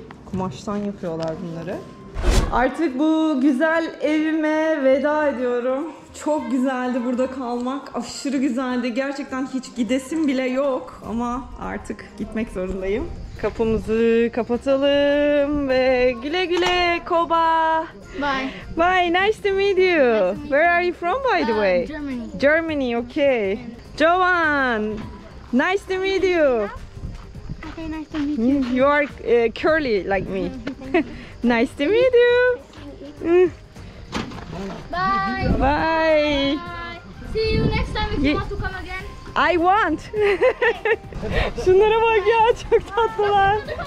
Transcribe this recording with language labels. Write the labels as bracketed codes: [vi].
[tr] Kumaştan yapıyorlar bunları. Artık bu güzel evime veda ediyorum. Çok güzeldi burada kalmak. Aşırı güzeldi. Gerçekten hiç gidesim bile yok. Ama artık gitmek zorundayım. Kapımızı kapatalım ve güle güle Koba. [en] Bye. Bye, nice to meet you. Where are you from by the way? Germany, okay. Jovan, nice to meet you. Okay, nice to meet you. You are curly like me. Nice to meet you. Bye. Bye. See you next time if you want to come again. I want. [tr] Şunlara bak ya, çok tatlılar.